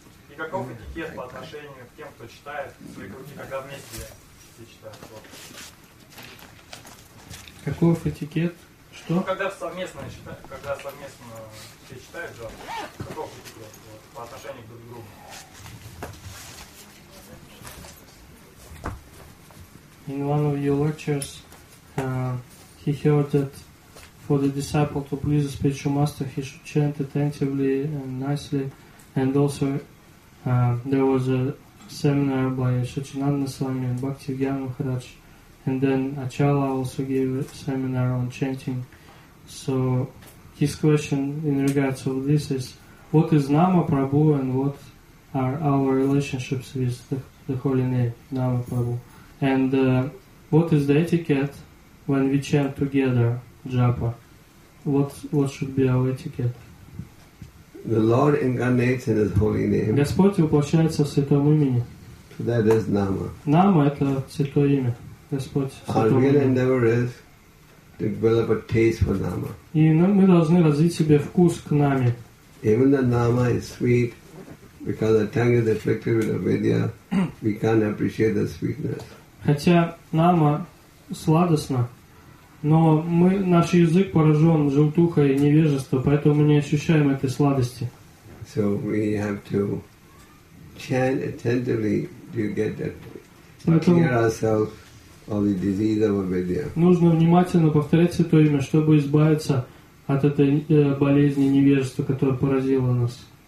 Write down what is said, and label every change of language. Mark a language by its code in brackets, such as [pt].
[ru] И каков этикет по отношению к тем, кто читает свои круги, когда вместе все читают? Вот. Каков этикет? Что? Ну, когда совместно читают, когда совместно все читают, да, каков этикет вот, по отношению друг к другу? [en] In one of your lectures, he heard that for the disciple to please the spiritual master, he should chant attentively and nicely. And also, there was a seminar by Satchinanda Swami and Bhakti Vyana Maharaj. And then Achala also gave a seminar on chanting. So his question in regards to this is, what is Nama Prabhu and what are our relationships with the holy name, Nama Prabhu? And what is the etiquette when we chant together japa? What should be our etiquette? The Lord incarnates in His holy name. [ru] Господь воплощается в святом имени. [en] That is Nama. [ru] Нама – это святое имя. Господь – святое имя. [en] Our real endeavor is to develop a taste for Nama. [ru] И мы должны развить себе вкус к Наме. [en] Even the Nama is sweet. Because the tongue is afflicted with avidya, we can't appreciate the sweetness. [ru] Хотя нама сладостна, но мы наш язык поражен желтухой невежества, поэтому мы не ощущаем этой сладости. [en] So we have to chant attentively to get that, clear ourselves of the disease of avidya. [ru] Нужно внимательно повторять святое имя, чтобы избавиться от этой болезни невежества, которая поразила нас.